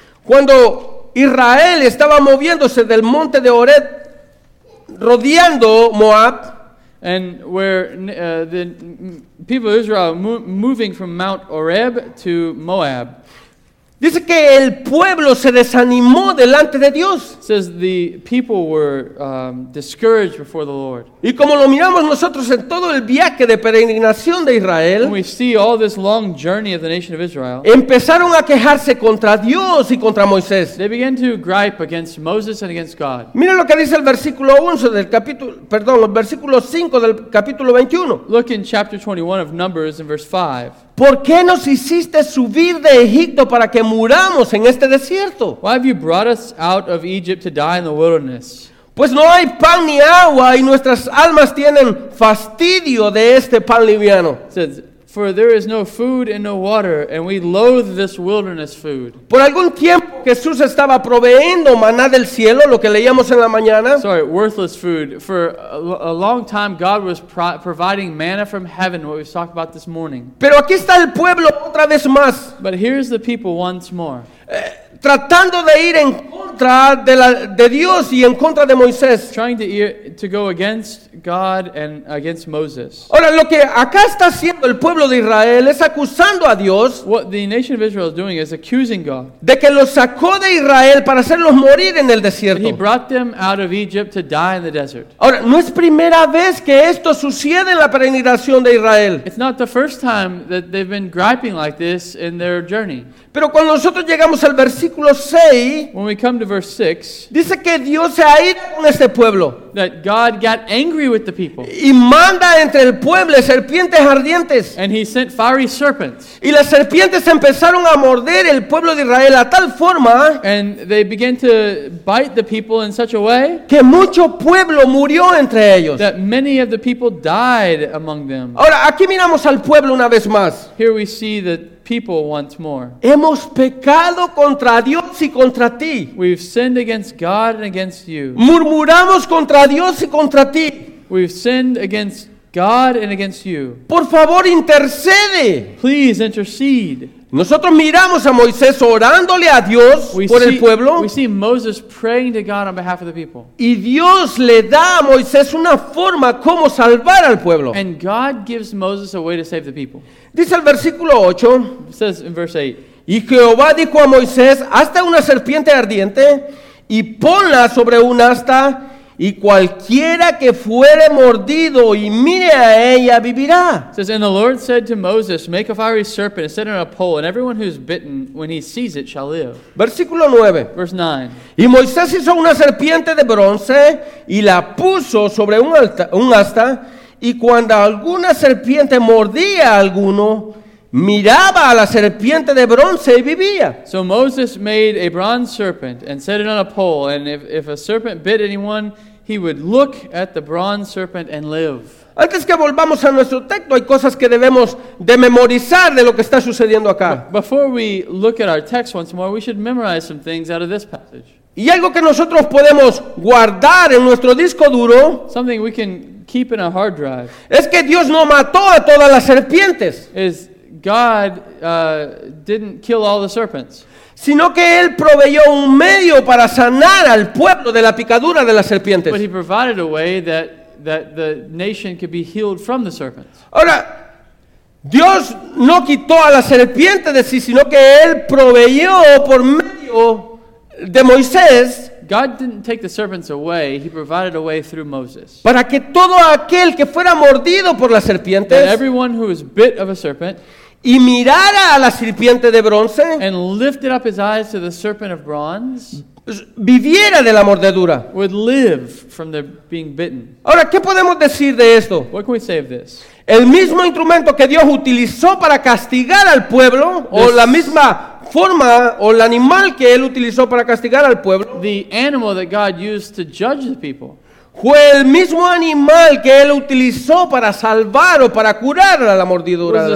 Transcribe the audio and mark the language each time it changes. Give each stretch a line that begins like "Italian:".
Spanish: Cuando Israel estaba moviéndose del monte de Horeb rodeando Moab.
English: And where the people of Israel moving from Mount Horeb to Moab.
Spanish: Dice que el pueblo se desanimó delante de Dios.
English: Says the people were discouraged before the Lord.
Spanish: Y como lo miramos nosotros en todo el viaje de peregrinación de Israel.
English: And we see all this long journey of the nation of Israel.
Spanish: Empezaron a quejarse contra Dios y contra Moisés.
English: They began to gripe against Moses and against God.
Spanish: Mira lo que dice el versículo 11 del capítulo, perdón, el versículo 5 del capítulo 21.
English: Look in chapter 21 of Numbers in verse 5.
Spanish: ¿Por qué nos hiciste subir de Egipto para que muramos en este desierto?
English: Why have you brought us out of Egypt to die in the wilderness?
Spanish: Pues no hay pan ni agua y nuestras almas tienen fastidio de este pan liviano.
English: For there is no food and no water, and we loathe this wilderness food.
Spanish: Por algún tiempo Jesús estaba proveyendo maná del cielo, lo que leíamos en la mañana.
English: Sorry, worthless food. For a long time God was providing manna from heaven, what we talked about this morning.
Spanish: Pero aquí está el pueblo otra vez más.
English: But here's the people once more.
Spanish: Tratando de ir en contra de Dios y en contra de Moisés.
English: Trying to go against God and against Moses.
Spanish: Ahora, lo que acá está haciendo el pueblo de Israel es acusando a Dios.
English: What the nation of Israel is doing is accusing God.
Spanish: De que los sacó de Israel para hacerlos morir en el desierto.
English: He brought them out of Egypt to die in the desert.
Spanish: Ahora, no es primera vez que esto sucede en la peregrinación de Israel.
English: It's not the first time that they've been griping like this in their journey.
Spanish: Pero cuando nosotros llegamos al versículo 6,
English: when we come to verse 6,
Spanish: dice que Dios se ha ido con este pueblo.
English: That God got angry with the people.
Spanish: Y manda entre el pueblo serpientes ardientes.
English: And he sent fiery serpents.
Spanish: Y las serpientes empezaron a morder el pueblo de Israel a tal forma.
English: And they began to bite the people in such a way.
Spanish: Que mucho pueblo murió entre ellos.
English: That many of the people died among them.
Spanish: Ahora, aquí miramos al pueblo una vez más.
English: Here we see that people once more.
Spanish: Hemos pecado contra Dios y contra ti.
English: We've sinned against God and against you.
Spanish: Murmuramos contra Dios y contra ti.
English: We've sinned against God and against you.
Spanish: Por favor, intercede.
English: Please intercede.
Spanish: Nosotros miramos a Moisés orándole a Dios por el pueblo.
English: We see Moses praying to God on behalf of the people.
Spanish: Y Dios le da a Moisés una forma como salvar al pueblo.
English: And God gives Moses a way to save the people.
Spanish: Dice el versículo 8.
English: It says in verse 8.
Spanish: Y Jehová dijo a Moisés, hazte una serpiente ardiente y ponla sobre un asta y cualquiera que fuere mordido y mire a ella vivirá.
English: It says, and the Lord said to Moses, make a fiery serpent and set it on a pole, and everyone who is bitten, when he sees it, shall live.
Spanish: Versículo 9.
English: Verse 9.
Spanish: Y Moisés hizo una serpiente de bronce y la puso sobre un asta, y cuando alguna serpiente mordía a alguno, miraba a la serpiente de bronce y vivía.
English: So Moses made a bronze serpent and set it on a pole, and if a serpent bit anyone, he would look at the bronze serpent and live.
Spanish: Antes que volvamos a nuestro texto, hay cosas que debemos de memorizar de lo que está sucediendo acá.
English: Before we look at our text once more, we should memorize some things out of this passage.
Spanish: Y algo que nosotros podemos guardar en nuestro disco duro,
English: something we can keep in a hard drive,
Spanish: es que Dios no mató a todas las serpientes.
English: God didn't kill all the serpents.
Spanish: Sino que él proveyó un medio para sanar al pueblo de la picadura de las serpientes.
English: But he provided a way that the nation could be healed from the serpents.
Spanish: Ahora, Dios no quitó a la serpiente de sí, sino que él proveyó por medio de Moisés.
English: God didn't take the serpents away. He provided a way through Moses.
Spanish: Para que todo aquel que fuera mordido por las serpientes.
English: That everyone who was bit of a serpent.
Spanish: Y mirara a la serpiente de bronce.
English: And lifted up his eyes to the serpent of bronze.
Spanish: Viviera de la mordedura.
English: Would live from the being bitten.
Spanish: Ahora, ¿qué podemos decir de esto?
English: What can we say of this?
Spanish: El mismo instrumento que Dios utilizó para castigar al pueblo.
English: This,
Spanish: o la misma forma o el animal que él utilizó para castigar al pueblo.
English: The animal that God used to judge the people.
Spanish: fue el mismo animal que él utilizó para salvar o para curar a la mordidura de la